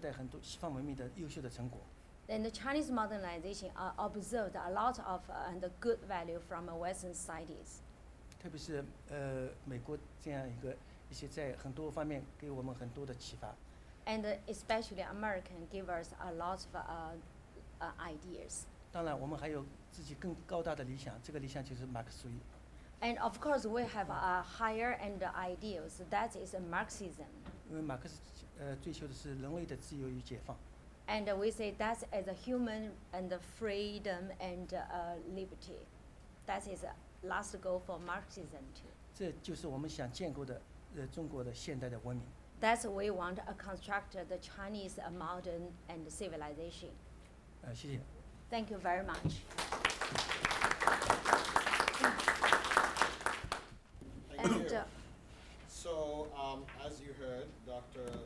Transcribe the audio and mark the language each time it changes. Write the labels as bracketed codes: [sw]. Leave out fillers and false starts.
[zh] 因为中国的现代化之路吸取了现代很多西方文明的优秀的成果. [en] And the Chinese modernization observed a lot of and good value from Western societies. [zh] 特别是美国这样一个一些在很多方面给我们很多的启发. [en] And especially American give us a lot of ideas. [zh] 当然，我们还有自己更高大的理想，这个理想就是马克思主义。 [en] And of course, we have a higher end ideals. That is Marxism. [zh] 因为马克思追求的是人类的自由与解放。 [en] And we say that is a human and the freedom and liberty. That is a last goal for Marxism too. [zh] 这就是我们想建构的中国的现代的文明。 [en] That's we want to construct the Chinese modern and civilization. [zh] 谢谢。 [en] Thank you very much. Thank you. So, as you heard, Dr.